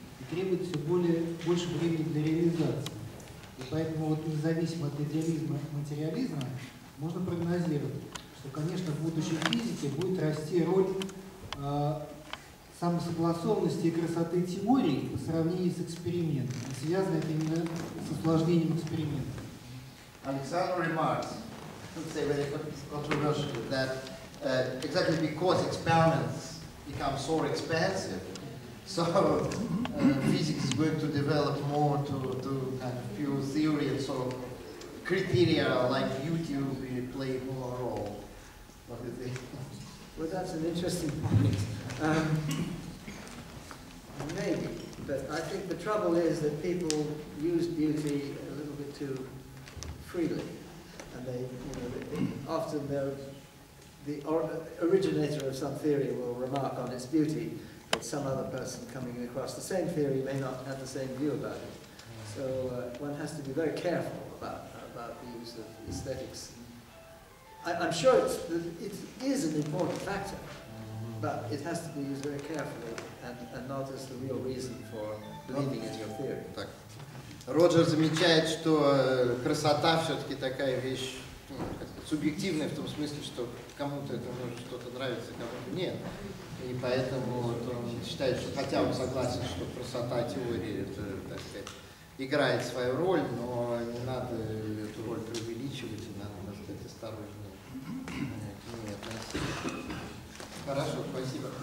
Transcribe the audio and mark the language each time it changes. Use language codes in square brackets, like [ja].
[ru] Требует все больше времени для реализации. И поэтому вот независимо от идеализма и материализма можно прогнозировать, что, конечно, в будущей физике будет расти роль самосогласованности и красоты теории по сравнению с экспериментом. И связано это именно с усложнением эксперимента. [en] Александр remarks, let's say very controversial, that exactly because experiments become so expensive. So physics is going to develop more to kind of pure theory, and so criteria like YouTube will play more role. What do you think? Well, that's an interesting point. Maybe, but I think the trouble is that people use beauty a little bit too freely, and they, you know, the originator of some theory will remark on its beauty. But some other person coming across the same theory may not have the same view about it. So one has to be very careful about the use of aesthetics. I'm sure it is an important factor, but it has to be used very carefully and not as the real reason for believing in your theory. [ru] Так. Роджер замечает, что красота все-таки такая вещь субъективная в том смысле, что кому-то это может что-то нравится, кому-то нет. И поэтому вот он считает, что хотя он согласен, что красота теории, это, так сказать, играет свою роль, но не надо эту роль преувеличивать, и надо, так сказать, осторожно к ней относиться. Хорошо, спасибо.